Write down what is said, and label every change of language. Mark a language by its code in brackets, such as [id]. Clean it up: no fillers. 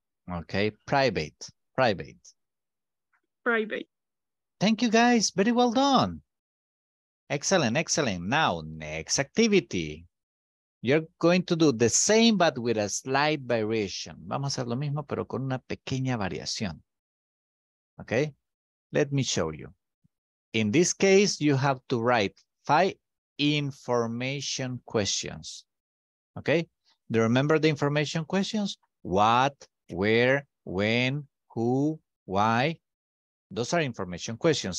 [en] Okay, private, private. Private. Thank you guys, very well done. Excellent, excellent. Now, next activity. You're going to do the same, but with a slight variation. [es] Vamos a hacer lo mismo, pero con una pequeña variación. [en] Okay? Let me show you. In this case, you have to write 5 information questions. Okay? Do you remember the information questions? What, where, when, who, why? Those are information questions.